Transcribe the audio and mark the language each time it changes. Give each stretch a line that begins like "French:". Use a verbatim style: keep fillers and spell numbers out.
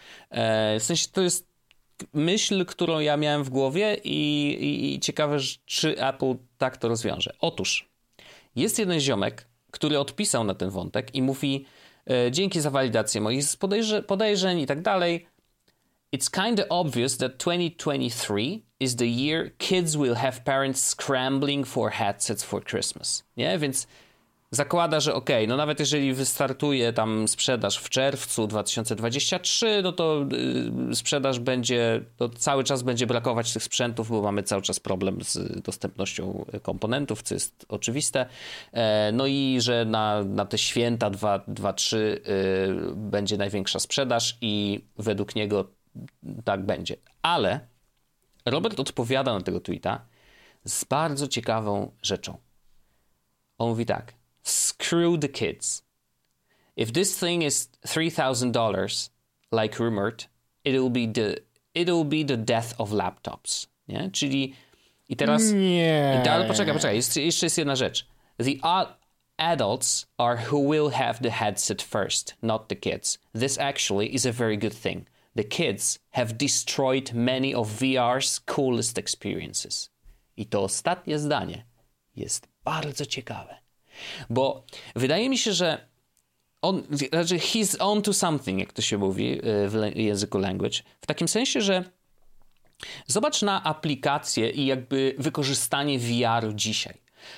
Polish: E, w sensie to jest myśl, którą ja miałem w głowie i, i, i ciekawe, czy Apple tak to rozwiąże. Otóż jest jeden ziomek, który odpisał na ten wątek i mówi e, dzięki za walidację moich podejrze- podejrzeń i tak dalej.
English: It's kinda obvious that twenty twenty-three is the year kids will have parents scrambling for headsets for Christmas.
Polish: Nie? Więc zakłada, że okej, okay, no nawet jeżeli wystartuje tam sprzedaż w czerwcu dwa tysiące dwudziestym trzecim, no to yy, sprzedaż będzie, to cały czas będzie brakować tych sprzętów, bo mamy cały czas problem z dostępnością komponentów, co jest oczywiste. E, no i że na, na te święta dwa trzy yy, będzie największa sprzedaż i według niego tak będzie. Ale Robert odpowiada na tego tweeta z bardzo ciekawą rzeczą. On mówi tak.
English: Screw the kids. If this thing is three thousand dollars, like rumored, it'll be the, it'll be the death of laptops.
Polish: Nie? Czyli i teraz... Nie. I dalej, poczekaj, poczekaj. Jest, jeszcze jest jedna rzecz.
English: The adults are who will have the headset first, not the kids. This actually is a very good thing. The kids have destroyed many of V R's coolest experiences.
Polish: I to ostatnie zdanie jest bardzo ciekawe. Bo wydaje mi się, że on, znaczy
English: he's on to something,
Polish: jak to się mówi w języku language. W takim sensie, że zobacz na aplikację i jakby wykorzystanie V R dzisiaj.